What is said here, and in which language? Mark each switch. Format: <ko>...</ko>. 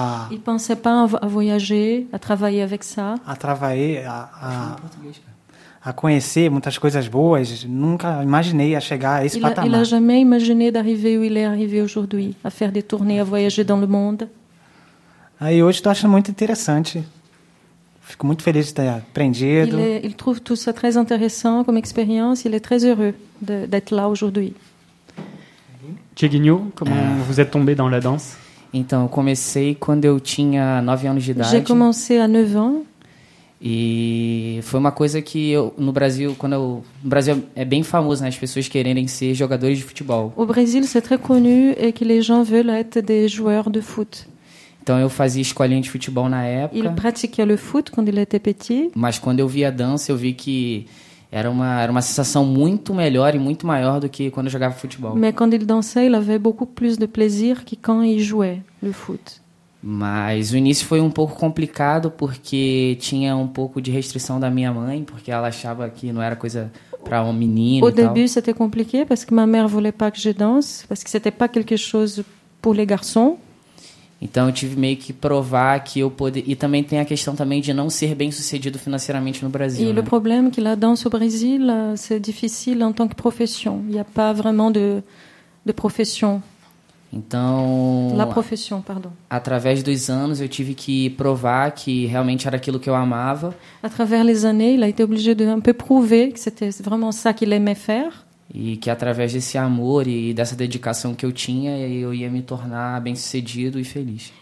<fr>Il pensait pas à voyager, à travailler avec ça. À travailler,</fr> <pt>à conhecer muitas coisas boas, nunca imaginei a chegar a esse patamar.</pt> <fr>Il a jamais imaginé d'arriver où il est arrivé aujourd'hui, à faire des tournées, à voyager dans le monde.</fr> <pt>Aí hoje estou achando muito interessante. Fico muito feliz de ter aprendido.</pt> <fr>Il trouve tout ça très intéressant comme expérience, il est très heureux d'être là aujourd'hui. Tcheguinho, comment vous êtes tombé dans la danse?</fr> <pt>Então, eu comecei quando eu tinha 9 anos de idade.</pt> <fr>J'ai commencé à 9 ans.</fr> <pt>E foi uma coisa que eu, no Brasil, quando eu, no Brasil é bem famoso, né, as pessoas quererem ser jogadores de futebol. O Brasil é</pt> <fr>très connu et que les gens veulent être des joueurs de foot.</fr> <pt>Então eu fazia escolinha de futebol na época.</pt> <fr>Il pratiquait le foot quand il était petit.</fr> <pt>Mas quando eu vi a dança, eu vi que era uma sensação muito melhor e muito maior do que quando eu jogava futebol.</pt> <fr>Mais quand il dansait, il avait beaucoup plus de plaisir que quand il jouait le foot.</fr> <pt>Mas o início foi um pouco complicado porque tinha um pouco de restrição da minha mãe, porque ela achava que não era coisa para um menino.</pt> <fr>Au début, c'était compliqué parce que ma mère voulait pas que je danse, parce que c'était pas quelque chose pour les garçons.</fr> <pt>Então eu tive meio que provar que eu poderia, e também tem a questão também de não ser bem-sucedido financeiramente no Brasil. E o problema é que a dança no Brasil é difícil em</pt> <fr>tant que</fr> <pt>profissão.</pt> <fr>Il y a pas vraiment de profissão.</fr> <pt>Então,</pt> <fr>la profissão, pardon.</fr> <pt>Através dos anos eu tive que provar que realmente era aquilo que eu amava. Através</pt> <fr>les années, il a été obligé de un peu prouver que c'était vraiment ça qu'il aimait faire.</fr> <pt>E que através desse amor e dessa dedicação que eu tinha, eu ia me tornar bem-sucedido e feliz.</pt>